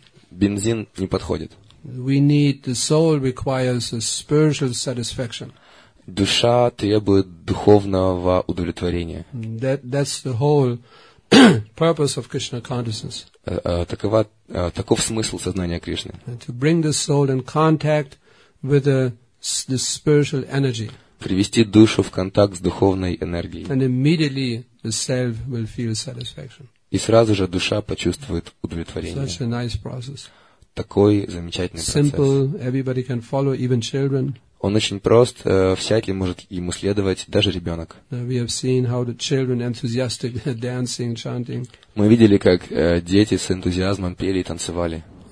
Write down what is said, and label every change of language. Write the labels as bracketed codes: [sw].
[ru] Бензин не подходит. [en] We need, the soul requires a spiritual satisfaction. [ru] Душа требует духовного удовлетворения. [en] That's the whole purpose of Krishna consciousness. [ru] Таков смысл сознания Кришны. [en] To bring the soul in contact with the spiritual energy. [ru] Привести душу в контакт с духовной энергией. [en] And immediately the self will feel satisfaction. [ru] И сразу же душа почувствует удовлетворение. [en] Such a nice process. [ru] Такой замечательный [en] Simple, [ru] процесс. [en] Simple, everybody can follow, even children. [ru] Он очень прост, всякий может ему следовать, даже ребенок. [en] We have seen how the children enthusiastic dancing, chanting. [ru] Мы видели, как дети с энтузиазмом пели и танцевали.